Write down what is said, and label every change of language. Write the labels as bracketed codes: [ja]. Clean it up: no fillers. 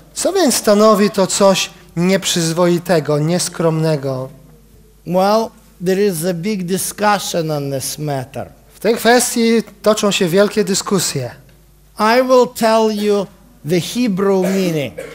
[pl] Co więc stanowi to coś nieprzyzwoitego, nieskromnego? [en] Well, there is a big discussion on this matter. [pl] W tej kwestii toczą się wielkie dyskusje. [en] I will tell you the Hebrew meaning.